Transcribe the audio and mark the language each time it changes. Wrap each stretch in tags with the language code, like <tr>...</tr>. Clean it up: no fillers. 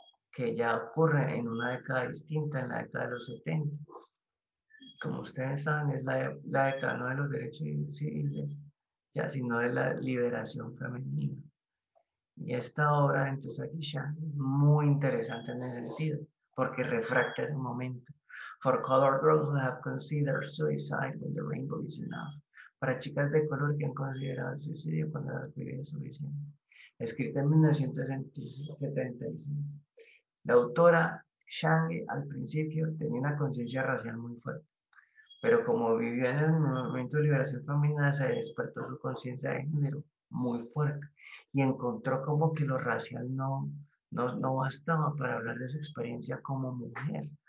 <es>Que ya ocurre en una década distinta, en la década de los 70. Como ustedes saben, es la década no de los derechos civiles, ya sino de la liberación femenina. Y esta obra de Entosaki Shan es muy interesante en ese sentido, porque refracta ese momento.</es> <en>For colored girls who have considered suicide when the rainbow is enough.</en> <es>Para chicas de color que han considerado el suicidio cuando la vida es suficiente. Escrita en 1976. La autora Shang, al principio, tenía una conciencia racial muy fuerte, pero como vivió en el movimiento de liberación femenina, se despertó su conciencia de género muy fuerte y encontró como que lo racial no bastaba para hablar de su experiencia como mujer.</es>